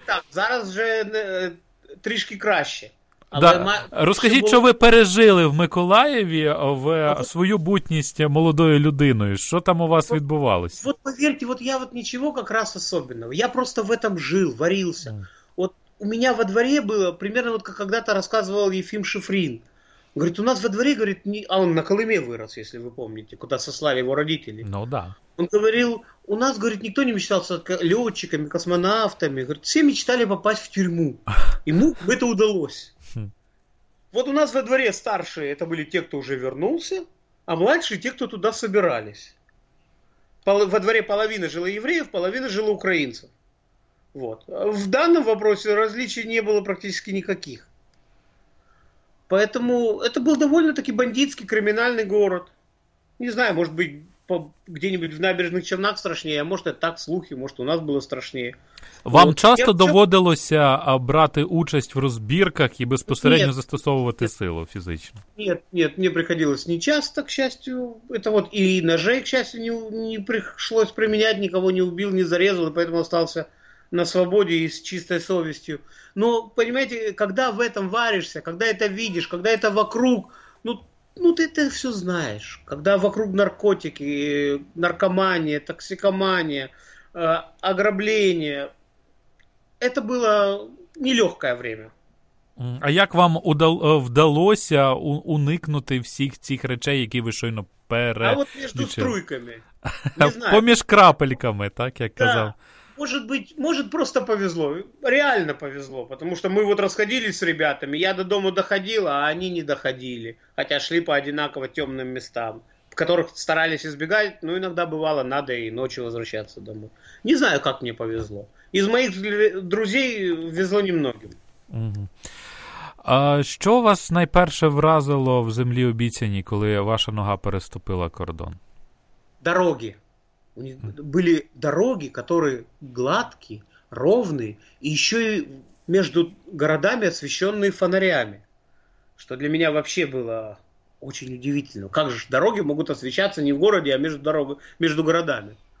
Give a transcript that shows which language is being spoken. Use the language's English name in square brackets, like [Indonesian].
[Ukrainian] так, зараз же трішки краще. Але Да, ще розкажіть, що було. ви пережили в Миколаєві в свою бутність молодою людиною? Що там у вас відбувалося? [Russian] Вот поверьте, вот я вот ничего как раз особенного. Я просто в этом жил, варился. Вот у меня во дворе было примерно вот как когда-то рассказывал Ефим Шифрин. Говорит, у нас во дворе, говорит, не... а он на Колыме вырос, если вы помните, куда сослали его родители. Ну да. Он говорил, у нас, говорит, никто не мечтал стать летчиками, космонавтами. Говорит, все мечтали попасть в тюрьму. Ему это удалось. Вот у нас во дворе старшие, это были те, кто уже вернулся, а младшие те, кто туда собирались. Во дворе половина жила евреев, половина жила украинцев. Вот. В данном вопросе различий не было практически никаких. Поэтому это был довольно-таки бандитский, криминальный город. Не знаю, может быть, где-нибудь в набережных Чернах страшнее, а может, это так, слухи, может, у нас було страшнее. Вам вот. [Ukrainian] Часто доводилося брати участь в розбірках і безпосередньо [Russian] нет. [Ukrainian] застосовувати силу фізично? Ні, мені приходилось не часто, [Russian] к счастью. Это вот і ножей, к счастью, не пришлось применять, никого не убил, не зарезал, и поэтому остался на свободе и с чистой совестью. Но, понимаете, когда в этом варишься, когда это видишь, когда это вокруг, ну ты это все знаешь. Когда вокруг наркотики, наркомания, токсикомания, ограбления. Это было нелегкое время. [Ukrainian] А як вам вдалося уникнути всіх цих речей, які ви щойно перечислили? [Russian] А вот между струйками. [Ukrainian] Поміж крапельками, так, як казав. [Russian] Может быть, может просто повезло, реально повезло, потому что мы вот расходились с ребятами, я до дома доходил, а они не доходили, хотя шли по одинаково темным местам, в которых старались избегать, но иногда бывало, надо и ночью возвращаться домой. Не знаю, как мне повезло. Из моих друзей везло немногим. Угу. [Ukrainian] А що вас найперше вразило в землі обіцяні, коли ваша нога переступила кордон? [Russian] Дороги. У них были дороги, которые гладкие, ровные, и еще и между городами освещенные фонарями. Что для меня вообще было очень удивительно. Как же дороги могут освещаться не в городе, а между городами.